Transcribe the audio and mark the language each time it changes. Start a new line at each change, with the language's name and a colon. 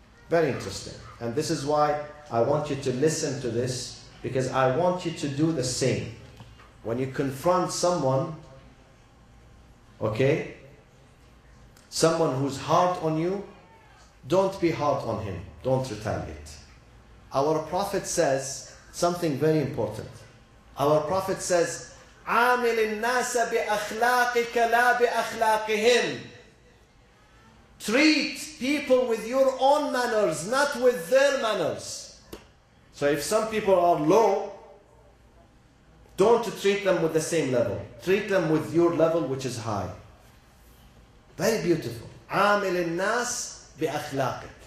English: And this is why I want you to listen to this, because I want you to do the same. When you confront someone, okay, someone who's hard on you, don't be hard on him. Don't retaliate. Our Prophet says something very important. Our Prophet says,
Arabic: عامل الناس بأخلاقك لا بأخلاقهم.
English: Treat people with your own manners, not with their manners. So if some people are low, don't treat them with the same level. Treat them with your level, which is high. Very beautiful.
Arabic: عامل الناس بأخلاقك.